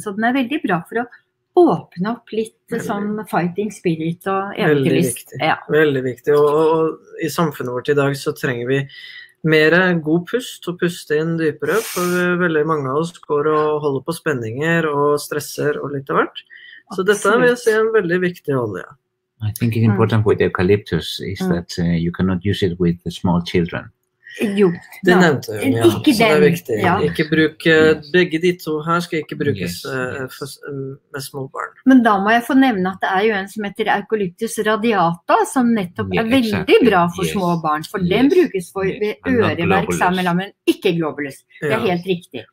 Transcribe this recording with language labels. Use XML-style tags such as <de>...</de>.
<no>Så den veldig bra for å åpne opp litt sånn fighting spirit og eventyrlyst. Veldig viktig. Ja. Veldig viktig. Og i samfunnet vårt i dag så trenger vi mer god pust og puste inn dypere, for veldig mange av oss går og holder på spenninger og stresser og litt av hvert. Så dette vil jeg si en veldig viktig olje. Ja.</no> <en>I think it's important with eucalyptus is that you cannot use it with the small children.</en> <no>Jo, det nevnte hun, ja. Ikke den. Så det viktig. Ja. Ikke bruk, begge de to her skal ikke brukes for, med små barn. Men da må jeg få nevne at det jo en som heter eucalyptus radiata, som nettopp veldig bra for små barn, for den brukes for øreverk sammen med lammen, ikke globulus. Det helt riktig.</no>